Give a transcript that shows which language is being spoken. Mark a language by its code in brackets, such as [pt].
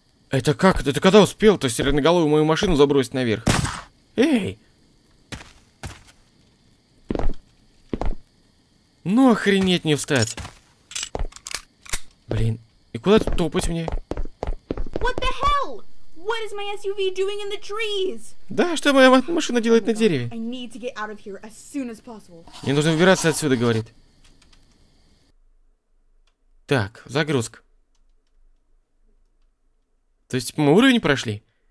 [ru] Это как? Это когда успел-то сиреноголовую мою машину забросить наверх? Эй! Ну охренеть не встать. Блин, и куда тут топать мне? [en] What the hell? What is my SUV doing in the trees? [ru] Да, что моя машина делает на дереве? [en] I need to get out of here as soon as possible. [ru] Мне нужно выбираться отсюда, говорит. Так, загрузка. То есть, мы уровень прошли?